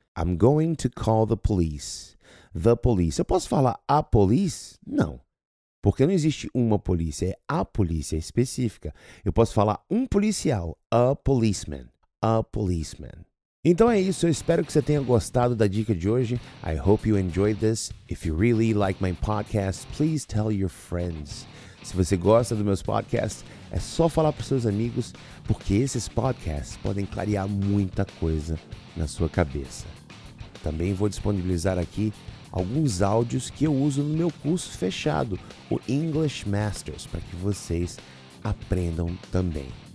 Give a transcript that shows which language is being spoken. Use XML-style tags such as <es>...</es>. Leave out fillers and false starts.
<en>I'm going to call the police. The police.</en> <pt>Eu posso falar a police? Não. Porque não existe uma polícia, é a polícia específica. Eu posso falar um policial, a policeman, a policeman. Então é isso, eu espero que você tenha gostado da dica de hoje.</pt> <en>I hope you enjoyed this. If you really like my podcast, please tell your friends.</en> <pt>Se você gosta dos meus podcasts, é só falar para seus amigos, porque esses podcasts podem clarear muita coisa na sua cabeça. Também vou disponibilizar aqui alguns áudios que eu uso no meu curso fechado, o English Masters, para que vocês aprendam também.</pt>